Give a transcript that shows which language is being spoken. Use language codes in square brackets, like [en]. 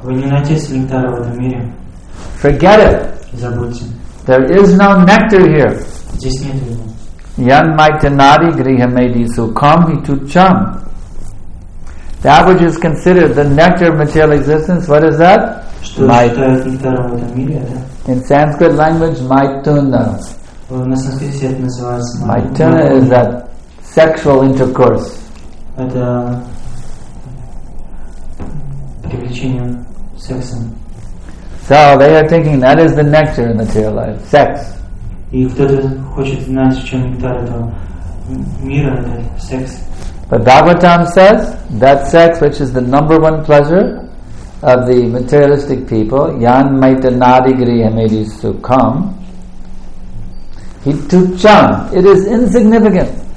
[en] Forget it. [ru] Забудьте. [en] There is no nectar here. [ru] Здесь нет. [sa] Yan maitanadi grihamedi sukham hitucham. [en] That which is considered the nectar of material existence, what is that? [ru] Что считается нектаром в этом мире, да? [en] In Sanskrit language, maituna. [ru] На санскрите это называется [en] maituna. Is that sexual intercourse. [ru] Это привлечение сексом. [en] So they are thinking that is the nectar in material life, sex. [ru] И кто-то хочет знать, в чем нектар этого мира, это секс. [en] But Bhagavatam says that sex, which is the number one pleasure of the materialistic people, [sa] yan maitanadi grihamedi sukham, hitucham, [en] it is insignificant.